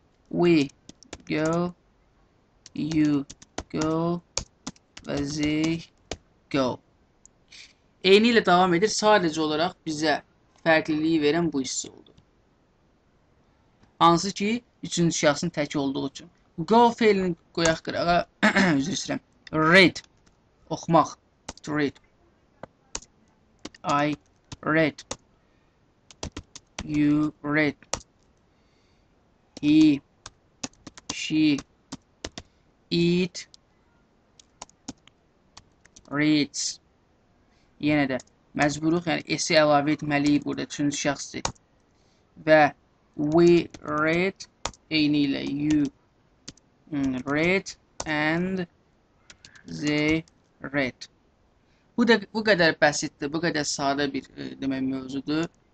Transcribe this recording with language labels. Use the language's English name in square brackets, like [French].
[English] We go, you go, və they go. [Azerbaijani] Eyni ilə davam edir, sadəcə olaraq bizə fərqliliyi verən bu hissə oldu. Hansı ki, üçüncü şəxsin tək olduğu üçün. Go failini qoyaq qırağa, üzr istəyirəm. [English] Read, oxumaq, to read. I read, you read, he, she, it, reads. [Azerbaijani] Yenə də məcburuq, yəni s-i əlavə etməliyik burada üçüncü şəxsi. [English] Və we read, [Azerbaijani] eyni ilə [English] you read and they read. [Azerbaijani] Bu da bu qədər basitdir, bu qədər sadə bir demək mövzudur.